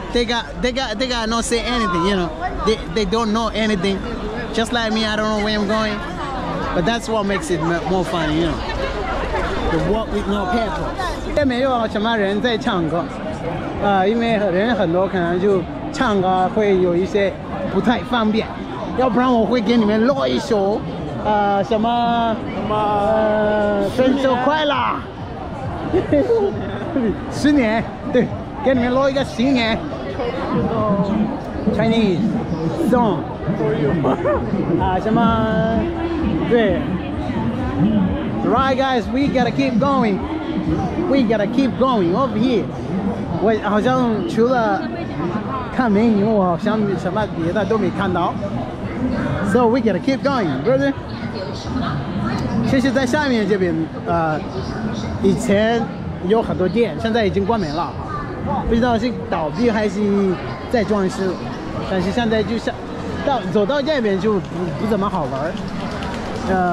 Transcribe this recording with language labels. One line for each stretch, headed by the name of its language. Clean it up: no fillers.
English: They got not say anything, you know. They don't know anything. Just like me, I don't know where I'm going. But that's what makes it more fun, you know. To walk with no purpose. There are some people who are singing. Because there are a lot of people who are singing.
Chinese: 唱歌会有一些不太方便，要不然我会给你们录一首，什么什么分手快乐，十年，对，给你们录一个十年 ，
English: Chinese song，
Chinese: 啊什么，对 ，
English: Right guys， we gotta keep going， we gotta keep going over here，
Chinese: 我好像除了。看美女，我好像什么别的都没看到。
English: So we gotta keep going, brother.
Chinese: 其实，在下面这边，以前有很多店，现在已经关门了，不知道是倒闭还是在装修。但是现在就下到走到这边就不怎么好玩。